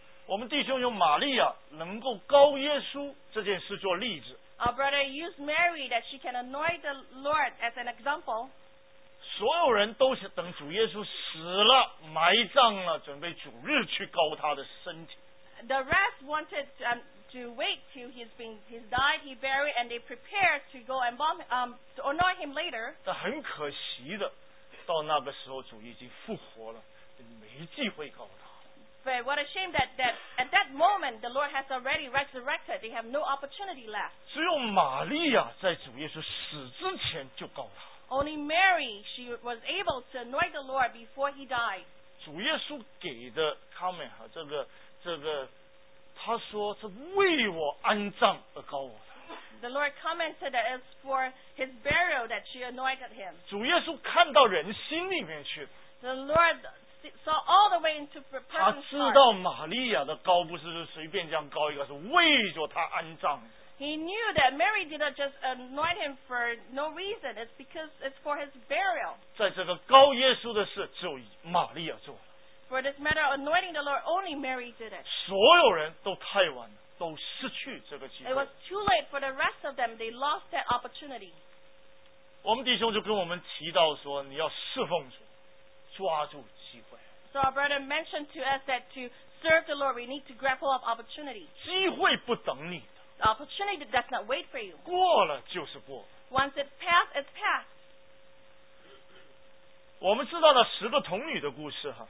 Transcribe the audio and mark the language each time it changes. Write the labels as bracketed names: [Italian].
[Chinese] 我们弟兄用玛利亚能够膏耶稣这件事做例子。 [English] Our brother used Mary that she can anoint the Lord as an example. [Chinese] 所有人都是等主耶稣死了埋葬了准备主日去膏他的身体。 [English] The rest wanted to wait till he's died, he buried, and they prepare to go and embalm to anoint him later. [Chinese] 但很可惜的，到那个时候主已经复活了，没机会告他。 [English] But what a shame that at that moment. woman the Lord has already resurrected. They have no opportunity left. [Chinese] 只有玛利亚在主耶稣死之前就告他。 [English] Only Mary, she was able to anoint the Lord before he died. [Chinese] 主耶稣给的 comment 和这个，他说是为我安葬而告我的。 [English] The Lord commented that it's for his burial that she anointed him. [Chinese] 主耶稣看到人心里面去。 [English] The Lord saw all the way into person's heart. [Chinese] 他知道玛利亚的膏不是随便这样膏一个，是为着他安葬。 [English] He knew that Mary did not just anoint him for no reason. It's because it's for his burial. [Chinese] 在这个膏耶稣的事，只有玛利亚做了。 [English] For this matter of anointing the Lord, only Mary did it. [Chinese] 所有人都太晚了，都失去这个机会。 [English] It was too late for the rest of them. They lost that opportunity. [Chinese] 我们弟兄就跟我们提到说，你要侍奉主，抓住机会。 [English] So our brother mentioned to us that to serve the Lord, we need to grab hold of opportunity. [Chinese] 机会不等你。 [English] The opportunity does not wait for you. [Chinese] 过了就是过。 [English] Once it's passed, it's passed. [Chinese] 我们知道了十个童女的故事哈。